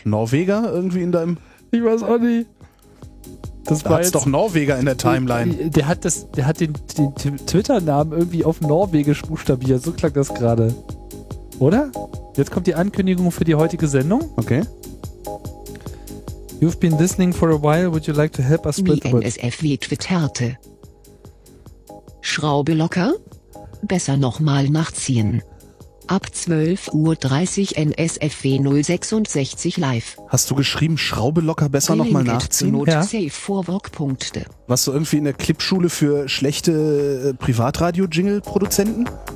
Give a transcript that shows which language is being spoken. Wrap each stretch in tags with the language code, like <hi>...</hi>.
<de>Norweger irgendwie in deinem. Ich weiß auch nicht. Das war jetzt doch Norweger in der Timeline. Der hat den Twitter-Namen irgendwie auf Norwegisch buchstabiert. So klang das gerade. Oder? Jetzt kommt die Ankündigung für die heutige Sendung. Okay.</de> <en>You've been listening for a while. Would you like to help us split the word?</en> <de>Wie NSFW twitterte. Schraube locker? Besser nochmal nachziehen. Ab 12.30 Uhr NSFW 066 live. Hast du geschrieben, Schraube locker besser nochmal nachziehen? Ja. Safe. Warst du irgendwie in der Clipschule für schlechte Privatradio-Jingle-Produzenten?</de>